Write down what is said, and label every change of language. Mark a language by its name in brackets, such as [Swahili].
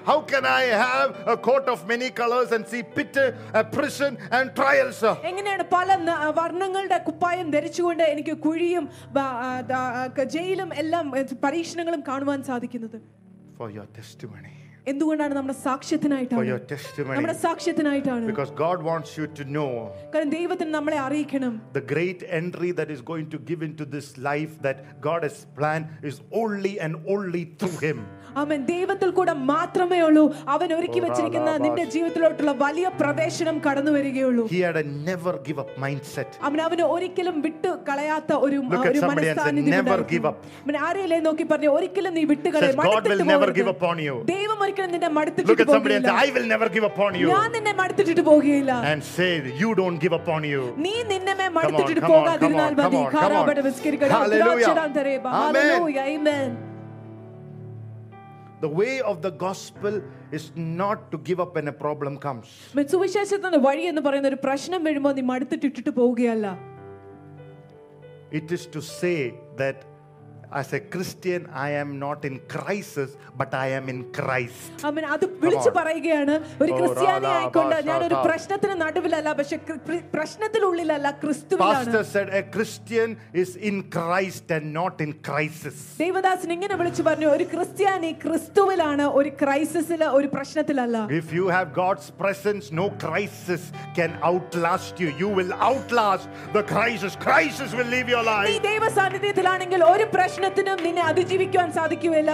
[English] How can I have a coat of many colors and see pit, a prison and trials? [Malayalam] എങ്ങനെയാണ് പല വർണ്ണങ്ങളുടെ കുപ്പായം ധരിച്ചുകൊണ്ട് എനിക്ക് കുഴിയും ജയിലും എല്ലാം പരീക്ഷണങ്ങളും കാണുവാൻ സാധിക്കുന്നത്? [English] For your testimony. [Malayalam] എന്തുകൊണ്ടാണ് നമ്മുടെ സാക്ഷ്യത്തിനായിട്ടാണ്? [English] For your testimony. [Malayalam] നമ്മുടെ സാക്ഷ്യത്തിനായിട്ടാണ്. [English] Because God wants you to know. [Malayalam] കാരണം ദൈവത്തിന് നമ്മളെ അറിയിക്കണം. [English] The great entry that is going to give into this life that God has planned is only and only through him. ആമേൻ. [Malayalam] ദൈവത്തിൽ കൂടെ മാത്രമേ ഉള്ളൂ അവൻ ഒരുക്കി വെച്ചിരിക്കുന്ന നിന്റെ ജീവിതത്തിലോട്ടുള്ള വലിയ പ്രവേശനം കടന്നു വരികയുള്ളൂ. [English] He had a never give up mindset. [Malayalam] അവനെ ഒരിക്കലും വിട്ടു കളയാത്ത ഒരു മനസ്ഥാനം. [English] Never give up. [Malayalam] അവൻ ആരെയല്ല നോക്കി പറഞ്ഞു, ഒരിക്കലും നീ വിട്ടു കളയ, മടുത്തിട്ട് പോകരുത്. [English] God will never give up on you. Look at somebody and say, I will never give up on you. [Malayalam] ഞാൻ നിന്നെ മടുത്തിട്ട് പോകില്ല. [English] And say, you don't give up on you. [Malayalam] നീ നിന്നെ മടുത്തിട്ട് പോകാതിരുന്നാൽ മതി. കാരാബട വിസ്കരിക്കട. Hallelujah. Hallelujah. Amen. [English] The way of the gospel is not to give up when a problem comes. [Malayalam] മെസ്സു വിശേഷത്തിന്റെ വഴി എന്ന് പറയുന്ന ഒരു പ്രശ്നം വരുമ്പോൾ നീ മടുത്തിട്ട് പോകുകയല്ല. [English] It is to say that as a Christian I am not in crisis but I am in Christ. [Malayalam] അമ്മേ അത് വിളിച്ചു പറയുകയാണ്, ഒരു ക്രിസ്ത്യാനി ആയിക്കൊണ്ട് ഞാൻ ഒരു പ്രശ്നത്തിന് നടുവിലല്ല, പക്ഷെ പ്രശ്നത്തിനുള്ളിലല്ല, ക്രിസ്തുവിലാണ്. [English] Pastor said a Christian is in Christ and not in crisis. [Malayalam] Devdas ഇങ്ങനെ വിളിച്ചു പറഞ്ഞു, ഒരു ക്രിസ്ത്യാനി ക്രിസ്തുവിലാണ്, ഒരു ക്രൈസിസില, ഒരു പ്രശ്നത്തിലല്ല. [English] If you have God's presence no crisis can outlast you. You will outlast the crisis. Crisis will leave your life. [Malayalam] നീ ദൈവസാന്നിധ്യത്തിലാണെങ്കിൽ ഒരു പ്രശ്നത്തിനും നിന്നെ അതിജീവിക്കാൻ സാധിക്കുകയില്ല.